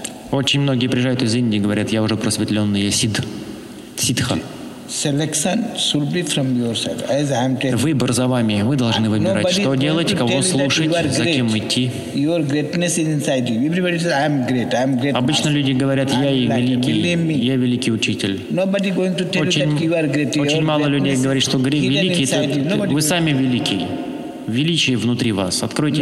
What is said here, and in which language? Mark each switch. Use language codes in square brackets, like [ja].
[ru] Очень многие приезжают из Индии и говорят, я уже просветленный, я сиддха. [en] Selection should be from yourself, as I am telling. [ru] Выбор за вами. Вы должны выбирать, [en] nobody [ru] что делать, кого слушать, за кем идти. [en] Your greatness is inside you. Everybody says, I am great. I am great. [ru] Обычно люди говорят, я и великий, я великий учитель. [en] Nobody going to tell [ru] очень, [en] you that you are great. [ru] Очень мало людей говорит, что великий. Это, вы сами великий. Величие внутри вас. Откройте